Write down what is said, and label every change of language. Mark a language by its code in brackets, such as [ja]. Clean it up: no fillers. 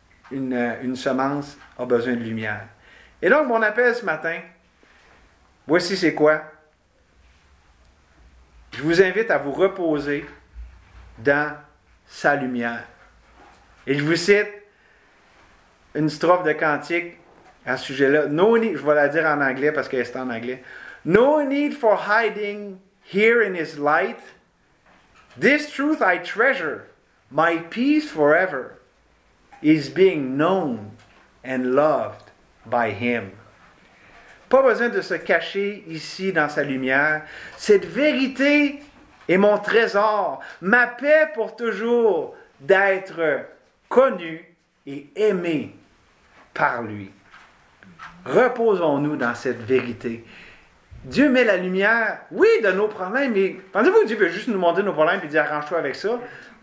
[fr] Une semence a besoin de lumière. Et donc, mon appel ce matin, voici c'est quoi. Je vous invite à vous reposer dans sa lumière. Et je vous cite une strophe de cantique à ce sujet-là. [en] No need, [fr] je vais la dire en anglais parce qu'elle est en anglais. [en] No need for hiding here in his light. This truth I treasure, my peace forever. Is being known and loved by him. [fr] Pas besoin de se cacher ici dans sa lumière. Cette vérité est mon trésor, ma paix pour toujours d'être connu et aimé par lui. Reposons-nous dans cette vérité. Dieu met la lumière, oui, de nos problèmes, mais pensez-vous que Dieu veut juste nous montrer nos problèmes et dire « arrange-toi avec ça ».